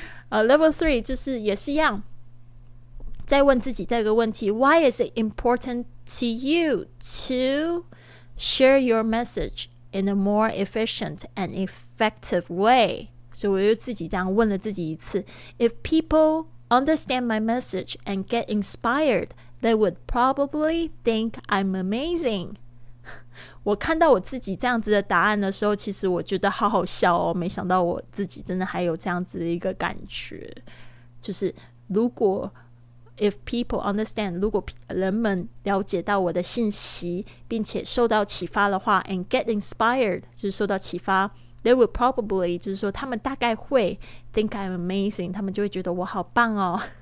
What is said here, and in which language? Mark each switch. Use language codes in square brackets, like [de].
[en] level 3 [zh] 就是也是一样再问自己这个问题， [en] Why is it important to you toshare your message in a more efficient and effective way？ [zh] 所以我又自己这样问了自己一次。 [en] If people understand my message and get inspired, they would probably think I'm amazing。 [zh] 我看到我自己这样子的答案的时候，其实我觉得好好笑哦，没想到我自己真的还有这样子的一个感觉，就是如果 [en] if people understand, [zh] 如果人们了解到我的信息并且受到启发的话， [en] and get inspired, [zh] 就是受到启发， [en] they will probably, [zh] 就是说他们大概会 [en] think I'm amazing, [zh] 他们就会觉得我好棒哦。